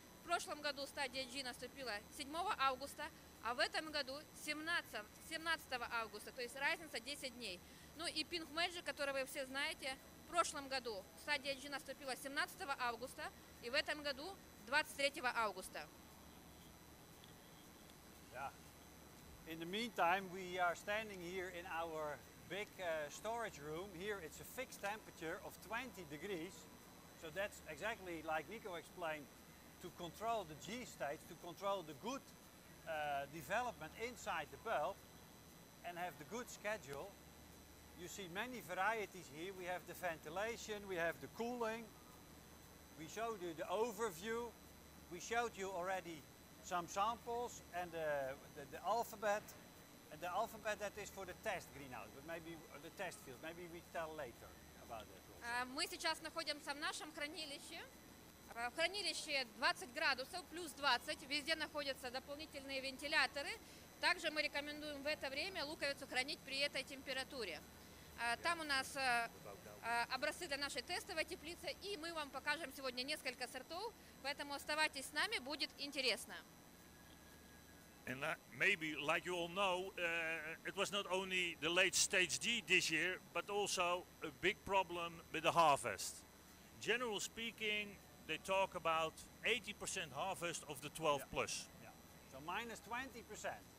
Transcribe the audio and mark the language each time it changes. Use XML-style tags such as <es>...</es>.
<ru>В прошлом году стадия G наступила 7 августа. А в этом году 17 августа, то есть разница 10 дней. Ну и Pink Magic, который вы все знаете, в прошлом году стадия G наступила 17 августа, и в этом году 23 августа.</ru> <en>Yeah. In the meantime, we are standing here in our big storage room. Here it's a fixed temperature of 20 degrees, so that's exactly like Nico explained, to control the G state, to control the good development inside the bulb and have the good schedule. You see many varieties here. We have the ventilation, we have the cooling. We showed you the overview. We showed you already some samples and the alphabet. And the alphabet that is for the test greenhouse, but maybe the test field. Maybe we tell later about that.</en> <ru>Мы сейчас находимся в нашем хранилище. В хранилище 20 градусов, плюс 20, везде находятся дополнительные вентиляторы. Также мы рекомендуем в это время луковицу хранить при этой температуре. Там у нас образцы для нашей тестовой теплицы, и мы вам покажем сегодня несколько сортов, поэтому оставайтесь с нами, будет интересно.</ru> <en>And maybe, like you all know, it was not only the late stage D this year, but also a big problem with the harvest. Generally speaking, they talk about 80% harvest of the 12 plus. Yeah. So minus 20%.</en>